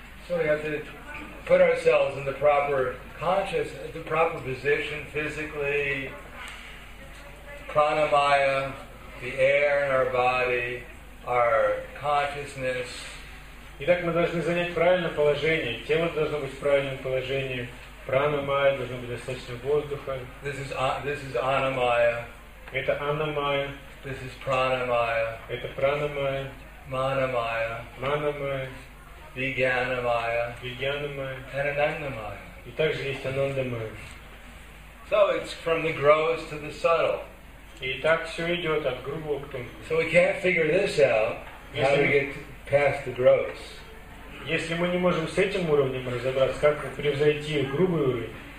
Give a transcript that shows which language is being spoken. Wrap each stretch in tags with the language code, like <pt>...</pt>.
<en>So we have to put ourselves in the proper consciousness, the proper position physically, pranamaya, the air in our body, our consciousness.</en> <ru>Итак, мы должны занять правильное положение, тело должно быть в правильном положении. Пранамая, должно быть достаточно воздуха.</ru> <en>This is анамая.</en> <ru>Это анамая.</ru> <en>This is пранамая.</en> <ru>Это пранамая. Манамая. Манамая. Вигьянамая. Вигьянамая. Анандамая. И также есть анандамая.</ru> <en>So it's from the gross to the subtle.</en> <ru>И так все идет от грубого к тонкому.</ru> <en>So we can't figure this out, how to get past the gross.</en> <ru>Если мы не можем с этим уровнем разобраться, как превзойти грубый</ru>